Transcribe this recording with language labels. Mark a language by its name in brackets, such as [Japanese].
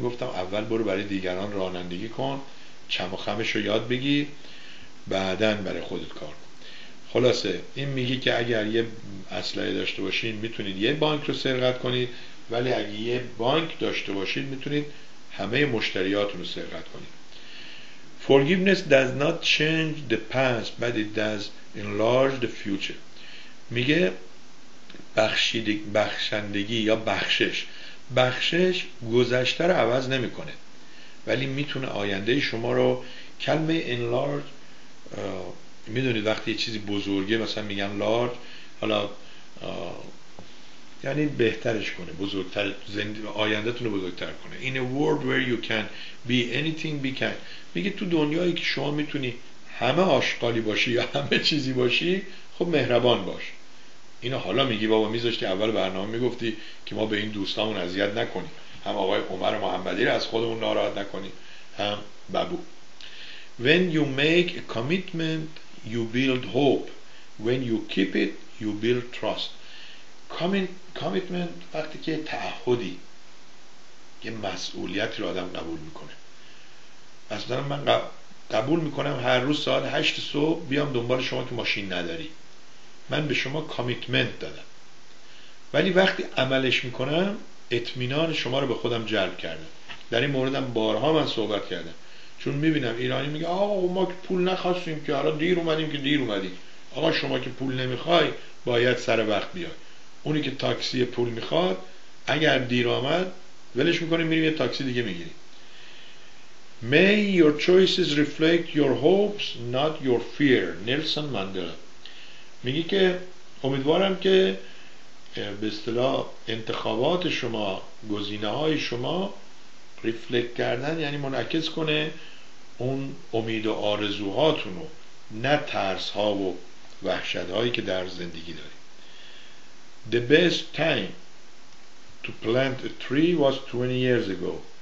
[Persian] گفتم اول برو برای دیگران رانندگی کن، چم و خمش رو یاد بگی، بعدن برای خودت کار. خلاصه این میگه که اگر یه اسلحه داشته باشین میتونید یه بانک رو سرقت کنید، ولی اگه یه بانک داشته باشید میتونید همه مشتریاتون رو سرقت کنید. [English] Forgiveness does not change the past but it does enlarge the future. [Persian] میگه بخشندگی یا بخشش گذشته رو عوض نمی کنه، ولی میتونه آینده شما رو، کلمه enlarge میدونید وقتی یه چیزی بزرگه مثلا میگن لارج، حالا یعنی بهترش کنه، بزرگتر، آیندتون رو بزرگتر کنه. [English] In a world where you can be anything be can، [Persian] میگه تو دنیایی که شما میتونی همه آشغالی باشی یا همه چیزی باشی، خب مهربان باش. اینو حالا میگی بابا، میذاشتی اول برنامه میگفتی که ما به این دوستامون اذیت نکنیم، هم آقای عمر محمدی رو از خودمون ناراحت نکنیم، هم بابو. [English] When you make a commitment you build hope, when you keep it you build trust. [Persian] Commitment وقتی که تعهدی، یه مسئولیتی رو آدم قبول میکنه. مثلا من قبول میکنم هر روز ساعت 8 صبح بیام دنبال شما که ماشین نداری، من به شما کامیتمنت دادم. ولی وقتی عملش میکنم اطمینان شما رو به خودم جلب کردم. در این موردم بارها من صحبت کردم، چون میبینم ایرانی میگه آقا ما پول نخواستیم که، حالا دیر اومدیم که دیر اومدیم. آقا شما که پول نمیخوای باید سر وقت بیای. اونی که تاکسی پول میخواد اگر دیر آمد ولش میکنی میریم یه تاکسی دیگه میگیری. [English] May your choices reflect your hopes not your fear. [Persian] نلسون ماندلا میگه که امیدوارم که به اصطلاح انتخابات شما، گزینه های شما ریفلکت کردن یعنی منعکس کنه اون امید و آرزوهاتون رو، نه ترس ها و وحشت هایی که در زندگی دارید. [English] The best time to plant a tree was 20 years ago.